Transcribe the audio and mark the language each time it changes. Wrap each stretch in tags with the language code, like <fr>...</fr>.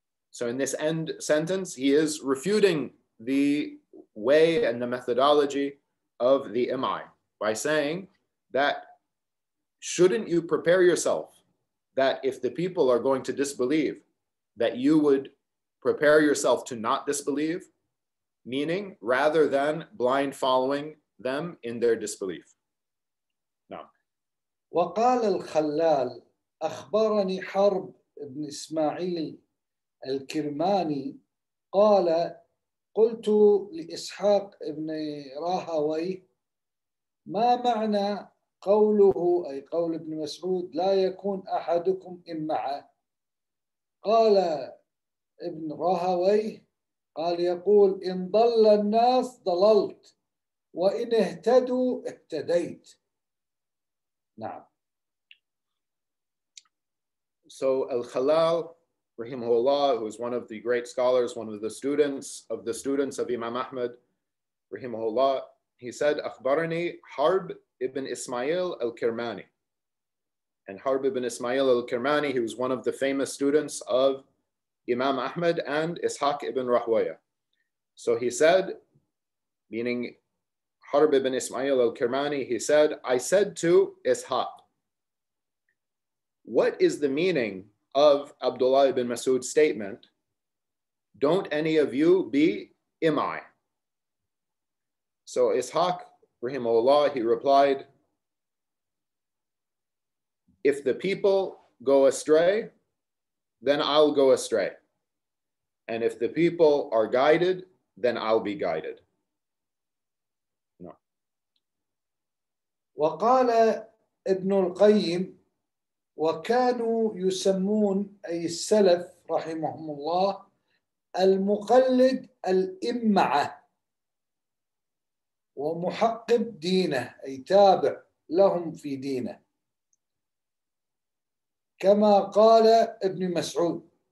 <en>So in this end sentence, he is refuting the way and the methodology of the MI by saying that, shouldn't you prepare yourself that if the people are going to disbelieve, that you would prepare yourself to not disbelieve, meaning rather than blind following them in their disbelief. Now.</en> <ar>وقال الخلال أخبرني حرب بن إسماعيل الكرماني قال قلت لإسحاق بن راهوي ما معنى قوله أي قول ابن مسعود لا يكون أحدكم إمعة قال ابن راهوي قال يقول إن ضل الناس ضللت وإن اهتدوا اهتديت نعم.</ar> <en>So Al-Khalal, rahimahullah, who is one of the great scholars, one of the students of Imam Ahmad, rahimahullah, he said, Akhbarani Harb ibn Ismail al-Kirmani. And Harb ibn Ismail al-Kirmani, he was one of the famous students of Imam Ahmad and Ishaq ibn Rahwaya. So he said, meaning Harb ibn Ismail al-Kirmani, he said, I said to Ishaq, what is the meaning of Abdullah ibn Mas'ud's statement, don't any of you be imai? So Ishaq, rahimahullah, he replied, if the people go astray, then I'll go astray. And if the people are guided, then I'll be guided. No.</en> <ar>وقال ابن القيم وكانوا يسمون أي السلف رحمهم الله المقلد الإمعة ومحقب دينه أي تابع لهم في دينه كما قال ابن مسعود</ar>